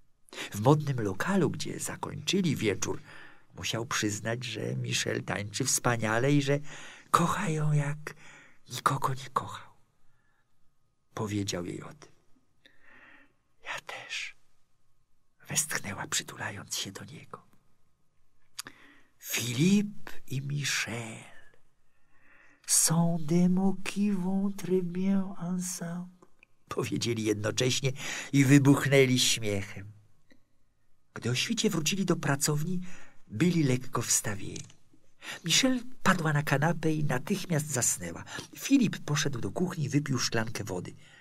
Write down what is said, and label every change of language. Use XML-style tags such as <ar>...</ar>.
<pl>W modnym lokalu, gdzie zakończyli wieczór, musiał przyznać, że Michelle tańczy wspaniale i że kocha ją jak nikogo nie kochał. Powiedział jej o tym. Ja też. Westchnęła, przytulając się do niego.</pl> <fr>Filip i Michelle sont de mots qui vont très bien ensemble.</fr> <pl>Powiedzieli jednocześnie i wybuchnęli śmiechem. Gdy o świcie wrócili do pracowni, byli lekko wstawieni. Michelle padła na kanapę i natychmiast zasnęła. Filip poszedł do kuchni i wypił szklankę wody.</pl>